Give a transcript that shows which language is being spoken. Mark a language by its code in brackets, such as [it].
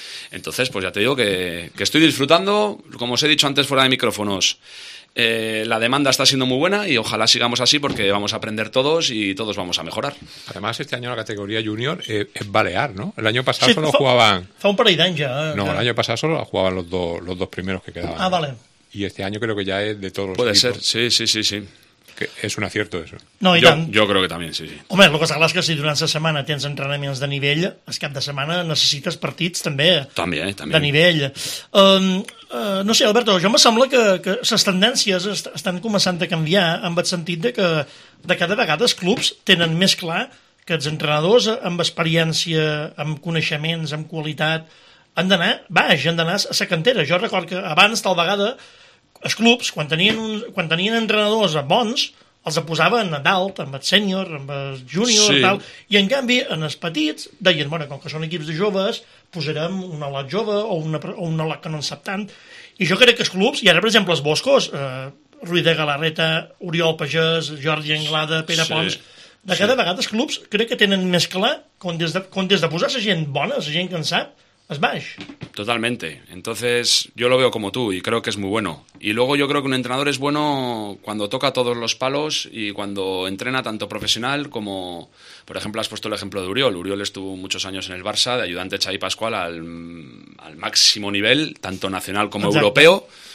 [es] Entonces, pues ya te digo que estoy disfrutando, como os he dicho antes fuera de micrófonos, la demanda está siendo muy buena y ojalá sigamos así porque vamos a aprender todos y todos vamos a mejorar. Además, este año la categoría junior es balear, ¿no? El año pasado sí, solo jugaban... Fue un par de años ya. No, el año pasado solo jugaban los dos primeros que quedaban. Ah, vale. Y este año creo que ya es de todos los Puede equipos. Ser, sí. Que es un acierto eso. [ca] No, i jo, tant. Jo crec que també, sí. Home, el que és clar és que si durant la setmana tens entrenaments de nivell, el cap de setmana necessites partits també. També, també. De nivell. No sé, Alberto, jo em sembla que les tendències estan començant a canviar en el sentit de que de cada vegada els clubs tenen més clar que els entrenadors amb experiència, amb coneixements, amb qualitat, han d'anar, vaja, han d'anar a la cantera. Jo record que abans, tal vegada, els clubs, quan tenien entrenadors bons, els posaven a dalt, amb el sènior, amb el júnior, sí, tal, i en canvi, en els petits, deien, bueno, com que són equips de joves, posarem una ala jove o una ala que no en sap tant. I jo crec que els clubs, i ara, per exemple, els Boscos, Ruiz de Galarreta, Oriol Pagès, Jordi Anglada, Pere sí, Pons, de cada sí, vegada els clubs crec que tenen més clar quan des de posar la gent bona, la gent que en sap, es baix. [es] Totalmente. Entonces, yo lo veo como tú y creo que es muy bueno. Y luego yo creo que un entrenador es bueno cuando toca todos los palos y cuando entrena tanto profesional como... Por ejemplo, has puesto el ejemplo de Uriol. Uriol estuvo muchos años en el Barça de ayudante Xavi Pascual al máximo nivel, tanto nacional como Exacto. europeo.